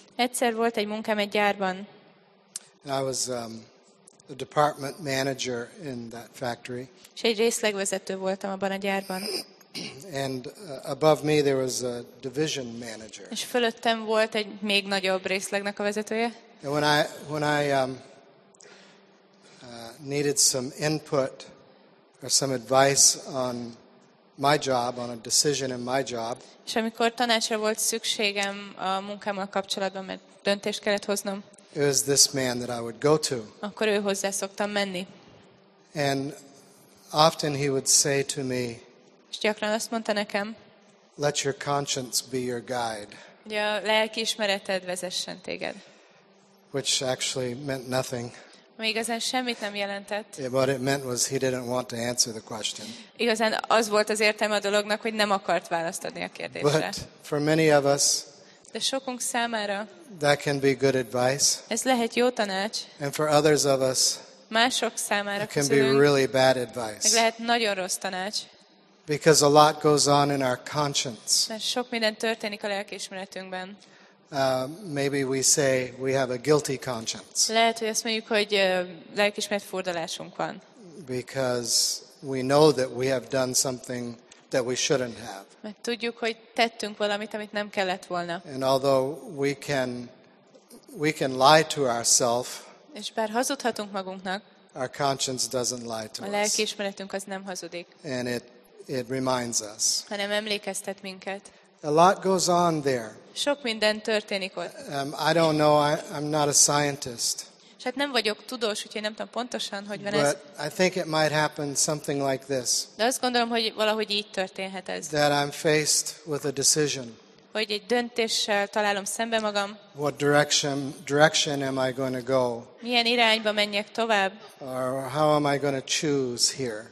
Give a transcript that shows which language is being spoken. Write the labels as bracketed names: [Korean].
[Hungarian] Egyszer volt egy munkamegyárban. [English] And I was a department manager in that factory. [Hungarian] És egy részlegvezető voltam abban a gyárban. [English] And above me there was a division manager. [Hungarian] És fölöttem volt egy még nagyobb részlegnek a vezetője. [English] And when I needed some input or some advice on my job, on a decision in my job. [Hungarian] És amikor tanácsra volt szükségem a munkámmal kapcsolatban, mert döntést kellett hoznom. [English] It was this man that I would go to. [Hungarian] Akkor ő hozzá szoktam menni. [English] And often he would say to me, [Hungarian] és gyakran azt mondta nekem, [English] let your conscience be your guide. [Hungarian] Hogy a lelkiismereted vezessen téged. [English] Which actually meant nothing. [Hungarian] Ami igazán semmit nem jelentett. [English] Yeah, what it meant was he didn't want to answer the question. [Hungarian] Igazán az volt az értelme a dolognak, hogy nem akart választ adni a kérdésre. [English] But for many of us, [Hungarian] de sokunk számára, [English] that can be good advice. [Hungarian] Ez lehet jó tanács. [English] And for others of us, [Hungarian] mások számára, [English] it can be really bad advice. [Hungarian] Meg lehet nagyon rossz tanács. [English] Because a lot goes on in our conscience. [Hungarian] Mert sok minden történik a lelkiismeretünkben. [English] Maybe we say we have a guilty conscience. [Hungarian] Lehet, hogy azt mondjuk, hogy lelkiismeret furdalásunk van. [English] Because we know that we have done something that we shouldn't have. [Hungarian] Mert tudjuk, hogy tettünk valamit, amit nem kellett volna. [English] And although we can lie to ourselves. [Hungarian] És bár hazudhatunk magunknak. [English] Our conscience doesn't lie to us. [Hungarian] A lelkiismeretünk az nem hazudik. [English] And it reminds us. [Hungarian] Hanem emlékeztet minket. [English] A lot goes on there. [Hungarian] Sok minden történik ott. [English] I don't know, I'm not a scientist. [Hungarian] És hát nem vagyok tudós, úgyhogy nem tudom pontosan, hogy van [English] but [Hungarian] ez. [English] But I think it might happen something like this. [Hungarian] De azt gondolom, hogy valahogy így történhet ez. [English] That I'm faced with a decision. [Hungarian] Hogy egy döntéssel találom szembe magam. [English] What direction am I going to go? [Hungarian] Milyen irányba menjek tovább? [English] Or how am I going to choose here?